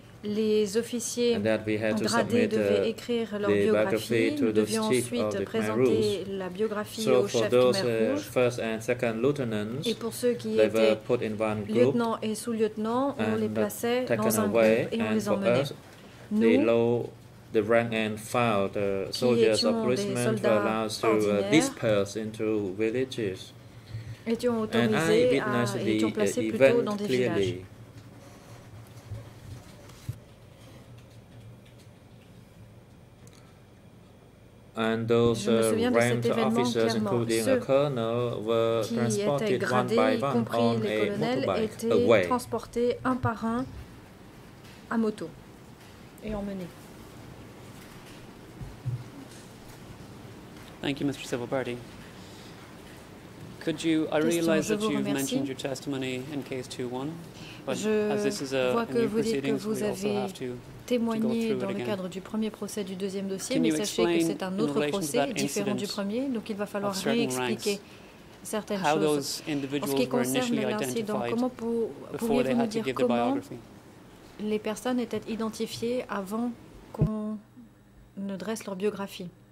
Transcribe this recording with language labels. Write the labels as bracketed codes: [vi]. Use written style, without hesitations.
[fr] Les officiers en gradé devaient écrire leur biographie. Nous devions ensuite présenter la biographie au chef Khmer Rouge. Et pour ceux qui étaient lieutenants et sous-lieutenants, on les plaçait dans un groupe et on les emmenait. [en] The rank and file, the soldiers or policemen were allowed to disperse into villages. [fr] Étions autorisés à être placés plutôt dans des villages. [en] And those ranked officers, including a colonel, were transported one by one on a motorbike away. [fr] Transportés un par un à moto et emmenés. [en] Thank you, Mr. Civil Party. Could you? I realize that you've mentioned your testimony in case 2-1, but [fr] je [en] as this is a new proceedings, we also have to. [fr] Témoigner dans le cadre du premier procès du deuxième dossier, mais sachez que c'est un autre procès différent du premier, donc il va falloir réexpliquer certaines choses. En ce qui concerne l'incident, comment pourriez-vous nous dire comment les personnes étaient identifiées avant qu'on ne dresse leur biographie?